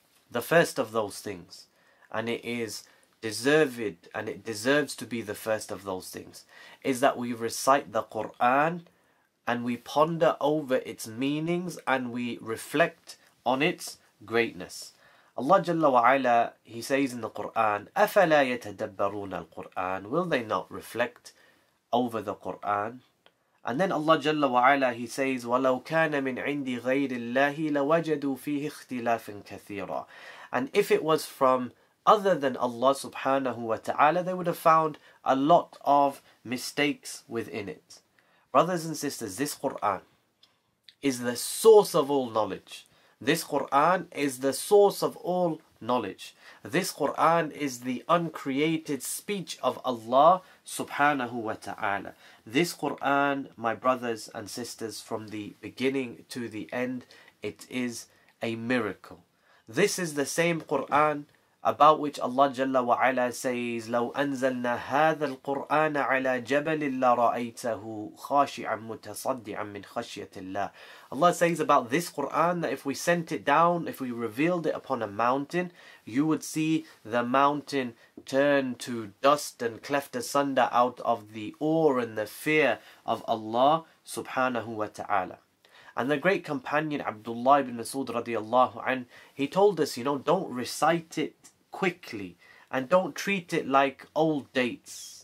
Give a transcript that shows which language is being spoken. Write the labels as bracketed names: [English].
[English] The first of those things, and it is deserved, and it deserves to be the first of those things, is that we recite the Qur'an and we ponder over its meanings and we reflect on its greatness. Allah Jalla wa Ala, He says in the Qur'an, [Arabic] أَفَلَا يَتَدَبَّرُونَ الْقُرْآنَ. [English] Will they not reflect over the Qur'an? And then Allah Jalla wa Ala, He says, [Arabic] وَلَوْ كَانَ مِنْ عِنْدِ غَيْرِ اللَّهِ لَوَجَدُوا فِيهِ اخْتِلَافٍ كَثِيرًا. [English] And if it was from other than Allah subhanahu wa ta'ala, they would have found a lot of mistakes within it. Brothers and sisters, this Qur'an is the source of all knowledge. This Qur'an is the source of all knowledge. This Qur'an is the uncreated speech of Allah subhanahu wa ta'ala. This Qur'an, my brothers and sisters, from the beginning to the end, it is a miracle. This is the same Qur'an about which Allah Jalla wa Ala says, [Arabic] لو أنزلنا هذا القرآن على جبل لرأيته خاشعا متصدعا من خشية الله. [English] Allah says about this Quran that if we sent it down, if we revealed it upon a mountain, you would see the mountain turn to dust and cleft asunder out of the awe and the fear of Allah subhanahu wa ta'ala. And the great companion Abdullah ibn Mas'ud radiallahu anhu, he told us, you know, don't recite it quickly and don't treat it like old dates.